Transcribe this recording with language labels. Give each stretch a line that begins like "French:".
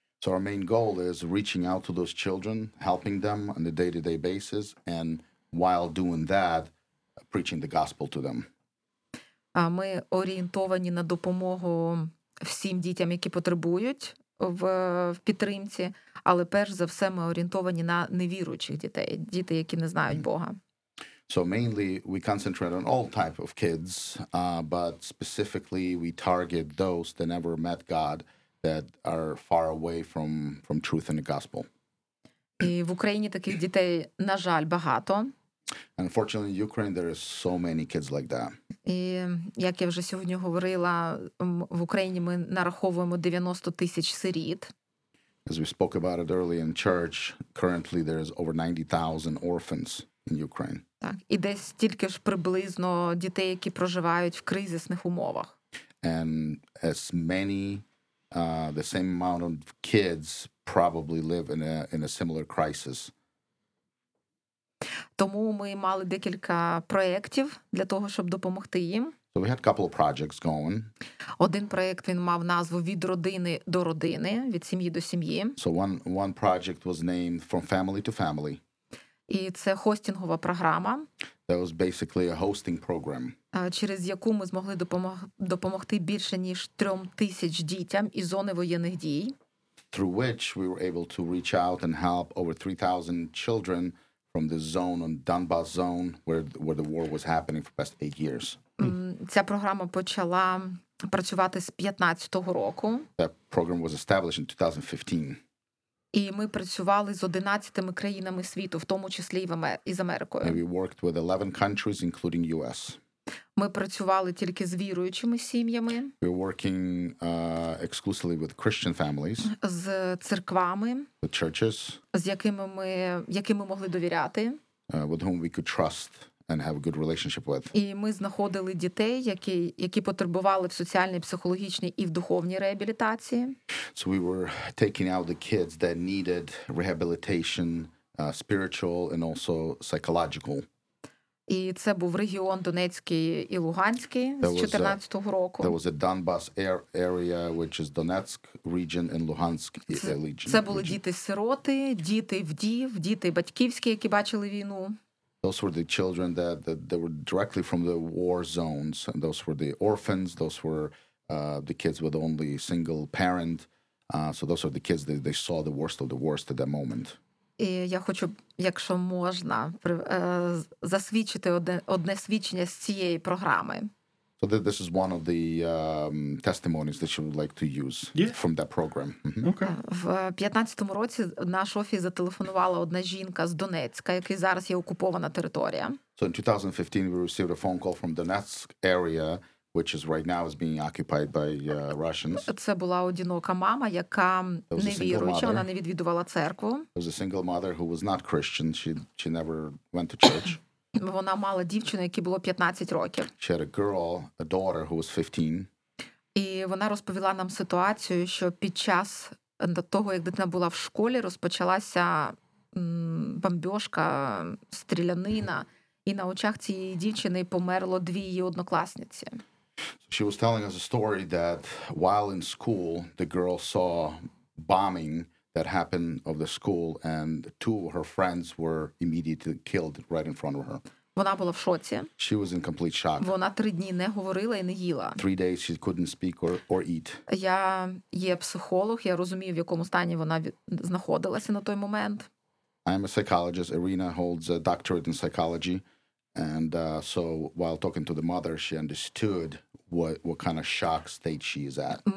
English: So our main goal is reaching out to those children, helping them on a day-to-day basis, and while doing that, preaching the gospel to them.
Ukrainian: Ми орієнтовані на допомогу всім дітям, які потребують в підтримці, але перш за все ми орієнтовані на невіруючих дітей, діти, які не знають Бога.
English: So mainly we concentrate on all type of kids, but specifically we target those that never met God, that are far away from truth and the gospel.
Ukrainian: І в Україні таких дітей, на жаль, багато.
English: Unfortunately, in Ukraine there are so many kids like that.
Ukrainian: І як я вже сьогодні говорила, в Україні ми нараховуємо 90 тисяч сиріт.
English: As we spoke about it earlier in church, currently there is over 90,000 orphans in Ukraine.
Ukrainian: Так, і десь тільки ж приблизно дітей, які проживають в кризисних умовах.
English: And as many the same amount of kids probably live in a similar crisis.
Ukrainian: Тому ми мали декілька проєктів для того, щоб допомогти їм.
English: So we had a couple of projects going.
Ukrainian: Один проєкт він мав назву «Від родини до родини», «Від сім'ї до сім'ї».
English: So one project was named «From family to family».
Ukrainian: І це хостингова програма.
English: That was basically a hosting program.
Ukrainian: Через яку ми змогли допомогти більше ніж 3000 дітям із зони воєнних дій.
English: Through which we were able to reach out and help over 3000 children from the zone on Donbas zone where the war was happening for past 8 years.
Ukrainian: Ця програма почала працювати з 15-го року.
English: That program was established in 2015.
Ukrainian: І ми працювали з 11 країнами світу, в тому числі і з Америкою.
English: And we worked with 11 countries including US.
Ukrainian: Ми працювали тільки з віруючими сім'ями.
English: We're working exclusively with Christian families.
Ukrainian: З церквами.
English: With churches.
Ukrainian: З якими ми могли довіряти.
English: With whom we could trust and have a good relationship with.
Ukrainian: І ми знаходили дітей, які потребували в соціальній, психологічній і в духовній реабілітації.
English: So we were taking out the kids that needed rehabilitation, spiritual and also psychological.
Ukrainian: І це був регіон Донецький і Луганський з 14-го року.
English: There was a Donbas area, which is Donetsk region and Luhansk region.
Ukrainian: Це були діти-сироти, діти вдів, діти батьківські, які бачили війну.
English: Those were the children that were directly from the war zones. And those were the orphans. Those were the kids with only single parent. So those are the kids that they saw the worst of the worst at that moment.
Ukrainian: І я хочу, якщо можна, засвідчити одне свідчення з цієї програми.
English: So this is one of the testimonies that you would like to use from that program. Mm-hmm. Okay.
Ukrainian: В 15-му році наш офіс зателефонувала одна жінка з Донецька, який зараз є окупована територія.
English: So in 2015 we received a phone call from Donetsk area, which is right now is being occupied by Russians.
Ukrainian: Це була одинока мама, яка не віруюча, вона не відвідувала церкву.
English: It was a single mother who was not Christian. She never went to church.
Ukrainian: Вона мала дівчину, якій було 15 років.
English: She had a girl, a daughter who was 15.
Ukrainian: І вона розповіла нам ситуацію, що під час того, як дитина була в школі, розпочалася бомбіжка, стрілянина, і на очах цієї дівчини померло дві її однокласниці.
English: So she was telling us a story that while in school, the girl saw bombing that happened of the school and two of her friends were immediately killed right in front of her.
Ukrainian: Вона була в шоці.
English: She was in complete shock.
Ukrainian: Вона 3 дні не говорила і не їла.
English: 3 days she couldn't speak or eat.
Ukrainian: Я є психолог, я розумію, в якому стані вона знаходилася на той момент.
English: I am a psychologist. Irina holds a doctorate in psychology and so while talking to the mother she understood what kind of shock state she is at.